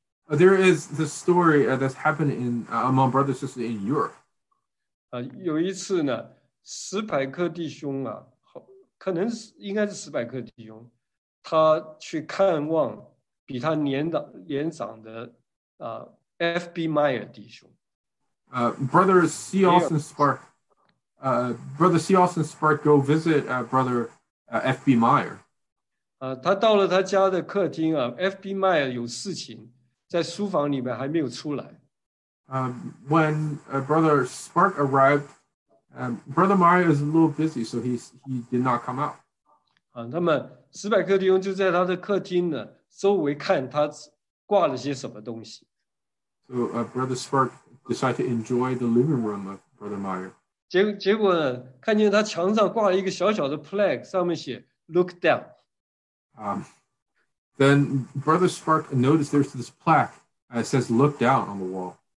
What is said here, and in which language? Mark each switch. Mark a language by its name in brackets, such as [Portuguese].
[English] There is the story that's happened in, among brothers and sisters in Europe. [Chinese] 有一次呢，史柏克弟兄啊，可能是应该是史柏克弟兄，他去看望比他年长的F.B. Meyer 弟兄。 [English] Brother C. Austin Spark, Brother C. Austin Spark, go visit Brother F.B. Meyer. [Chinese] 他到了他家的客厅啊 ，F.B. Meyer 有事情，在书房里面还没有出来。 [English] When Brother Spark arrived, Brother Meyer is a little busy, so he did not come out. [Chinese] 那么史柏克弟兄就在他的客厅呢，周围看他挂了些什么东西。 [English] So Brother Spark decided to enjoy the living room of Brother Meyer. [Chinese] 结果呢，看见他墙上挂了一个小小的 flag， 上面写 [English] "Look down"。 Then Brother Spark noticed there's this plaque that says "Look down" on the wall.